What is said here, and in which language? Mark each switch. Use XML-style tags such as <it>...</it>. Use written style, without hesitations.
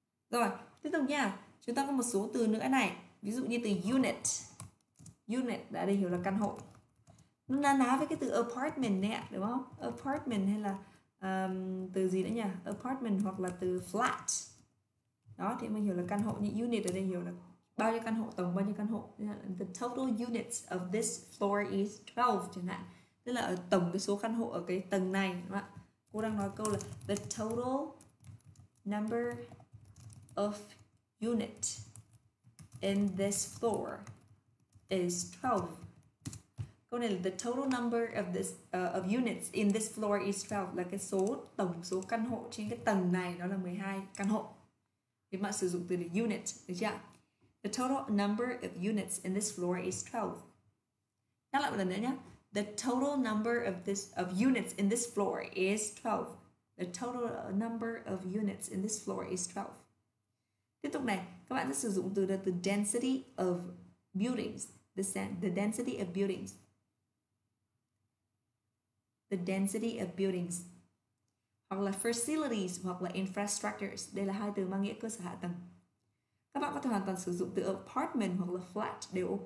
<vi>Rồi, tiếp tục nha. Chúng ta có một số từ nữa này. Ví dụ như từ unit. Unit đã đây hiểu là căn hộ. Nó na ná với cái từ apartment nè, đúng không? Apartment hay là từ gì nữa nhỉ? Apartment hoặc là từ flat. Đó, thì mình hiểu là căn hộ, như unit ở đây hiểu là bao nhiêu căn hộ, tổng bao nhiêu căn hộ.</vi> <en>The total units of this floor is 12,</en> <vi>chẳng hạn. Tức là ở tổng cái số căn hộ ở cái tầng này, đúng không ạ? Cô đang nói câu là</vi> <en>the total number of unit in this floor is 12.</en> <vi>Câu này là</vi> <en>the total number of this of units in this floor is 12,</en> <vi>là cái số tổng số căn hộ trên cái tầng này nó là 12 căn hộ. Thì bạn sử dụng từ là unit, được chưa?</vi> <en>The total number of units in this floor is 12.</en> <vi>Nhắc lại một lần nữa nhé.</vi> <en>The total number of this of units in this floor is 12. The total number of units in this floor is 12.</en> <vi>Tiếp tục này, các bạn sẽ sử dụng từ là the density of buildings.</vi> <en>The density of buildings. The density of buildings. Hoặc là facilities, hoặc là infrastructures.</en> <vi>Đây là hai từ mang nghĩa cơ sở hạ tầng. Các bạn có thể hoàn toàn sử dụng từ apartment hoặc là flat đều ok.</vi>